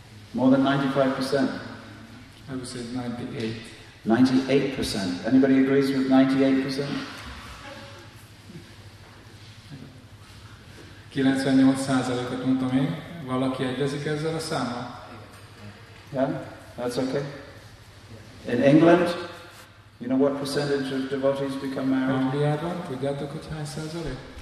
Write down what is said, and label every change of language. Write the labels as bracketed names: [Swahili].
[English] More than 95%. I would say 98. 98%. Anybody agrees with 98%? [Hungarian] 98%-ot mondtam én. Valaki egyezik ezzel a számmal? [English] Yeah, that's okay. In England, you know what percentage of devotees become married? [Hungarian] Angliában, tudjátok, hogy hány százalék?